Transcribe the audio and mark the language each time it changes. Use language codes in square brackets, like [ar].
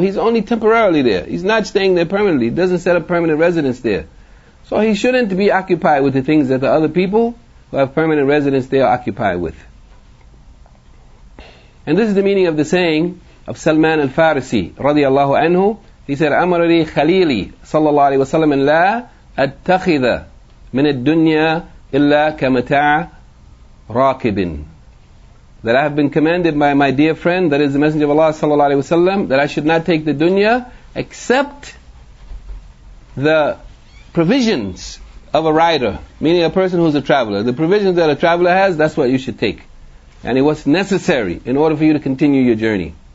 [en] He's only temporarily there. He's not staying there permanently. He doesn't set up permanent residence there. So he shouldn't be occupied with the things that the other people who have permanent residence there are occupied with. And this is the meaning of the saying of Salman al-Farisi, radiallahu anhu. He said, [ar] أَمَرَنِي خَلِيلِي صَلَّى اللَّهُ عَلَيْهِ وَسَلَّمَ لَا أَتَّخِذَ مِنَ الدُّنْيَا إِلَّا كَمَتَعَ رَاكِبٍ. [en] That I have been commanded by my dear friend, that is the Messenger of Allah sallallahu alaihi wasallam, that I should not take the dunya except the provisions of a rider, meaning a person who is a traveler. The provisions that a traveler has, that's what you should take. And it was necessary in order for you to continue your journey.